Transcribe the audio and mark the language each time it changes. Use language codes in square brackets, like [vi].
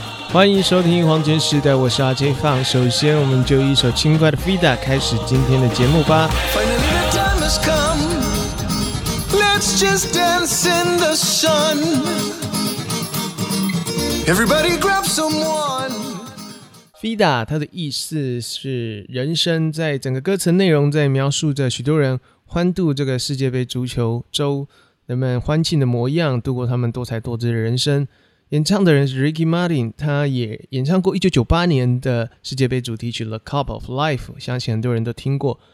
[zh] 欢迎收听黄泉时代，我是阿 J 放。首先，我们就一首轻快的 Fida 开始今天的节目吧。 [en] Finally, the time has come. Let's just dance in the sun. Everybody, grab someone. [zh] Fida 它的意思是人生，在整个歌词内容在描述着许多人欢度这个世界杯足球周，人们欢庆的模样，度过他们多才多姿的人生。演唱的人是 Ricky Martin， 他也演唱过1998年的世界杯主题曲 The Cup of Life， 相信很多人都听过。